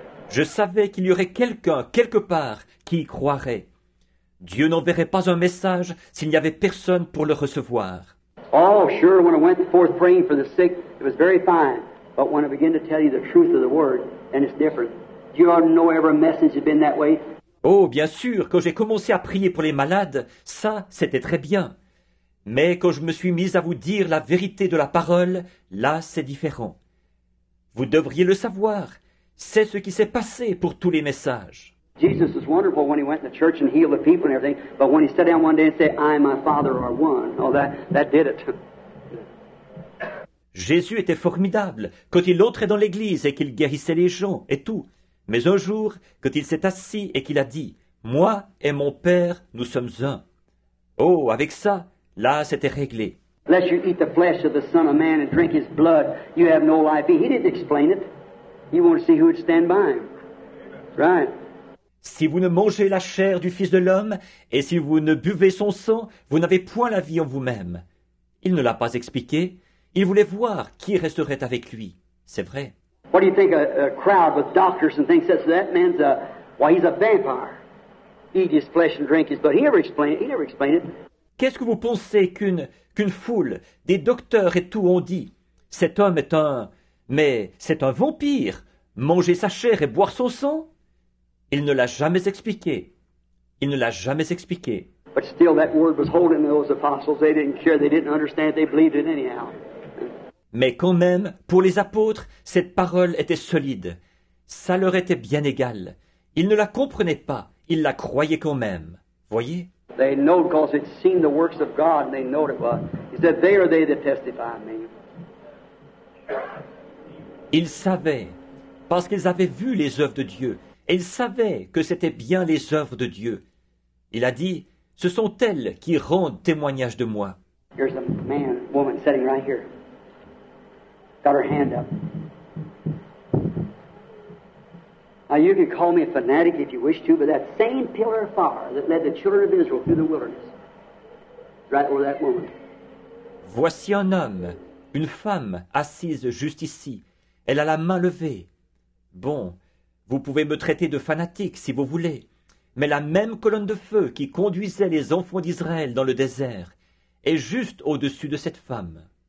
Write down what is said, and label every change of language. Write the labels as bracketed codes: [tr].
[fr] Je savais qu'il y aurait quelqu'un, quelque part, qui y croirait. Dieu n'enverrait pas un message s'il n'y avait personne pour le recevoir. [en] Oh, sure, when I went forth praying for the sick, it was very fine. But when I begin to tell you the truth of the word, then it's different. You ought to know every message has been that way. [fr] Oh, bien sûr, quand j'ai commencé à prier pour les malades, ça, c'était très bien. Mais quand je me suis mis à vous dire la vérité de la parole, là, c'est différent. Vous devriez le savoir. C'est ce qui s'est passé pour tous les messages. [en] Jesus was wonderful when he went to the church and healed the people and everything. But when he sat down one day and said, I and my Father are one, oh, that did it. [fr] Jésus était formidable quand il entrait dans l'église et qu'il guérissait les gens et tout. Mais un jour, quand il s'est assis et qu'il a dit, moi et mon Père, nous sommes un. Oh, avec ça, là, c'était réglé. [en] Unless you eat the flesh of the Son of Man and drink his blood, you have no life. He didn't explain it. He wanted to see who would stand by him. Right. [fr] Si vous ne mangez la chair du Fils de l'homme et si vous ne buvez son sang, vous n'avez point la vie en vous-même. Il ne l'a pas expliqué. Il voulait voir qui resterait avec lui. C'est vrai. [en] What do you think a crowd with doctors and things says that man's a, why he's a vampire. Eat his flesh and drink his blood. He never explained it. [fr] Qu'est-ce que vous pensez qu'une foule, des docteurs et tout ont dit? Cet homme est un... Mais c'est un vampire. Manger sa chair et boire son sang? Il ne l'a jamais expliqué. Il ne l'a jamais expliqué. [en] But still that word was holding those apostles. They didn't care, they didn't understand, they believed it anyhow. [fr] Mais quand même, pour les apôtres, cette parole était solide. Ça leur était bien égal. Ils ne la comprenaient pas, ils la croyaient quand même. Voyez? [en] They know because it's seen the works of God and they know it was. He said, they are they that testify me. [fr] Ils savaient, parce qu'ils avaient vu les œuvres de Dieu, et ils savaient que c'était bien les œuvres de Dieu. Il a dit, ce sont elles qui rendent témoignage de moi. [en] Here's a man, woman sitting right here. Got her hand up. Now you can call me a fanatic if you wish to, but that same pillar of fire that led the children of Israel through the wilderness, right over that woman. [fr] Voici un homme, une femme assise juste ici. Elle a la main levée. Bon, vous pouvez me traiter de fanatique si vous voulez, mais la même colonne de feu qui conduisait les enfants d'Israël dans le désert est juste au-dessus de cette femme.